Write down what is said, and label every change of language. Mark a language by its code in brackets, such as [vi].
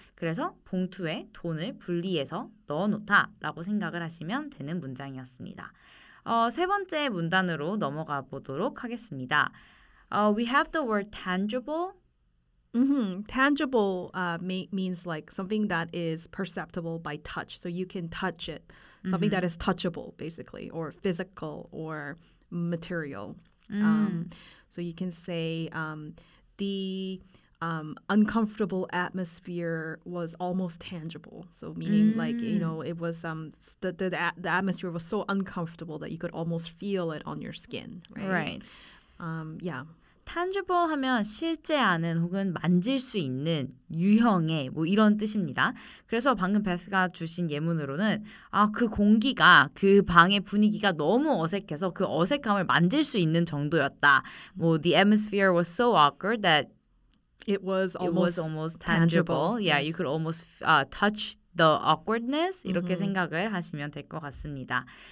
[ko] 그래서 봉투에 돈을 분리해서 넣어놓다 라고 생각을 하시면 되는 문장이었습니다. 세 번째 문단으로 넘어가 보도록 하겠습니다. [en] We have the word tangible. Mm-hmm. Tangible means like something that is perceptible by touch. So you can touch it. Something mm-hmm. that is touchable, basically, or physical or material. Mm. So you can say the uncomfortable atmosphere was almost tangible. So meaning mm. like, you know, it was the atmosphere was so uncomfortable that you could almost feel it on your skin. Right. Yeah. [ko] Tangible 하면 실제 아는 혹은 만질 수 있는 유형의 뭐 이런 뜻입니다. 그래서 방금 베스가 주신 예문으로는 아, 그 공기가 그 방의 분위기가 너무 어색해서 그 어색함을 만질 수 있는 정도였다. [en] 뭐 the atmosphere was so awkward that it was almost tangible. Yeah, yes. You could almost touch the awkwardness. [ko] 이렇게 mm-hmm. 생각을 하시면 될 것 같습니다.